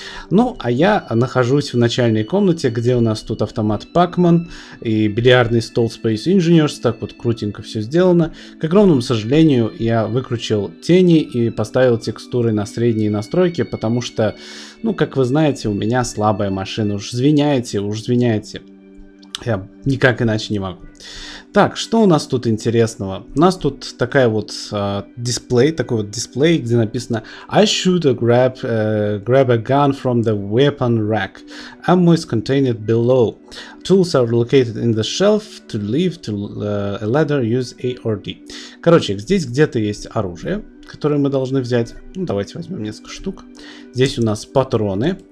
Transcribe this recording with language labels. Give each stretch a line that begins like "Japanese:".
Russian: Ну, а я нахожусь в начальной комнате, где у нас тут автомат Pac-Man и бильярдный стол Space Engineers, так вот крутенько все сделано. К огромному сожалению, я выключил тени и поставил текстуры на средние настройки, потому что, ну, как вы знаете, у меня слабая машина, уж извиняйте. Я никак иначе не могу. Так, что у нас тут интересного? У нас тут такая вот дисплей, где написано I should grab a gun from the weapon rack.
English: Ammo is contained below. Tools are located in the shelf to leave to a ladder. Use A or D.
Russian: Короче, здесь где-то есть оружие, которое мы должны взять. Ну, давайте возьмем несколько штук. Здесь у нас патроны.